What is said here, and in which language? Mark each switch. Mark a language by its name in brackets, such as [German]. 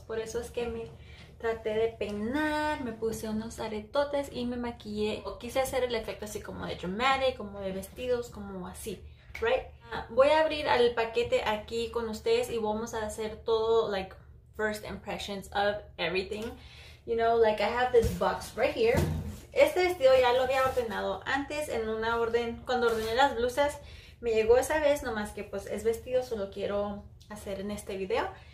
[Spanish] Por eso es que me traté de peinar, me puse unos aretotes y me maquillé. O quise hacer el efecto así como de dramatic, como de vestidos, como así, right? Voy a abrir el paquete aquí con ustedes y vamos a hacer todo, [English] like, first impressions of everything. You know, like, I have this box right here. [Spanish] Este vestido ya lo había ordenado antes en una orden. Cuando ordené las blusas, me llegó esa vez, nomás que, pues, es vestido, solo quiero hacer en este video.